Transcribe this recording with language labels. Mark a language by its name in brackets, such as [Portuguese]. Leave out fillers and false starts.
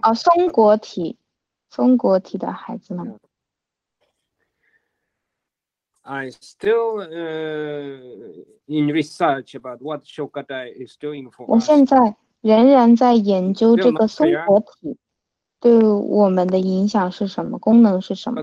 [Chinese] 哦、松果体松果体的孩子们、 [English] yeah. I still in research about what shogatai is doing for us [Chinese] 我现在仍然在研究这个松果体对我们的影响是什么功能是什么